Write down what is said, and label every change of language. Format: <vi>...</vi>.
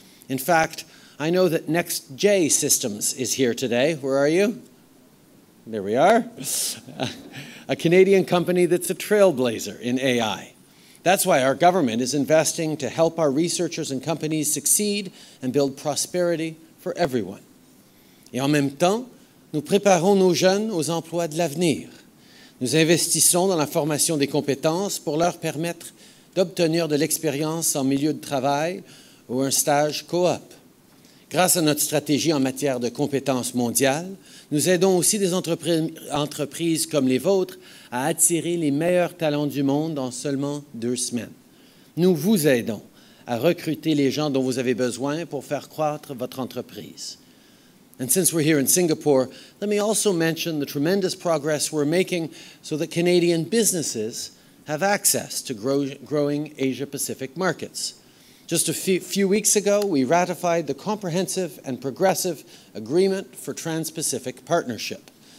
<en>In fact, I know that NextJ Systems is here today. Where are you? There we are. A Canadian company that's a trailblazer in AI. That's why our government is investing to help our researchers and companies succeed and build prosperity for everyone.</en> <fr>Et en même temps, nous préparons nos jeunes aux emplois de l'avenir. Nous investissons dans la formation des compétences pour leur permettre d'obtenir de l'expérience en milieu de travail ou un stage co-op. Grâce à notre stratégie en matière de compétences mondiales, nous aidons aussi des entreprises comme les vôtres à attirer les meilleurs talents du monde en seulement deux semaines. Nous vous aidons à recruter les gens dont vous avez besoin pour faire croître votre entreprise.</fr> <en>And since we're here in Singapore, let me also mention the tremendous progress we're making so that Canadian businesses have access to growing Asia-Pacific markets. Just a few weeks ago, we ratified the Comprehensive and Progressive Agreement for Trans-Pacific Partnership.</en>